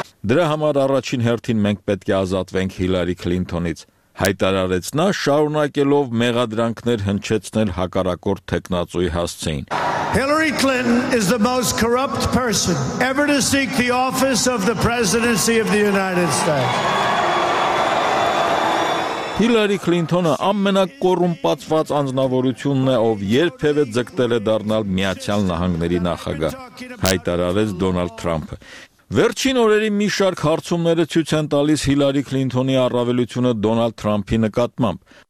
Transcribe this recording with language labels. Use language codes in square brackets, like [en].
[hy] Դրա համար առաջին հերթին մենք պետք է ազատվենք Հիլարի Քլինթոնից, հայտարարեց նա, շարունակելով մեղադրանքներ հնչեցնել հակառակորդ թեկնածուի հասցեին։ [en] Hillary Clinton is the most corrupt person ever to seek the office of the presidency of the United States. [hy] Hillary Clinton-ը ամենակոռումպացված անձնավորությունն է, ով երբևէ ձգտել է դառնալ Միացյալ Նահանգների նախագահ, հայտարարեց Դոնալդ Թրամփը։ Վերջին օրերի մի շարք հարցումները ցույց են տալիս Հիլարի Քլինթոնի առավելությունը Դոնալդ Թրամփի նկատմամբ։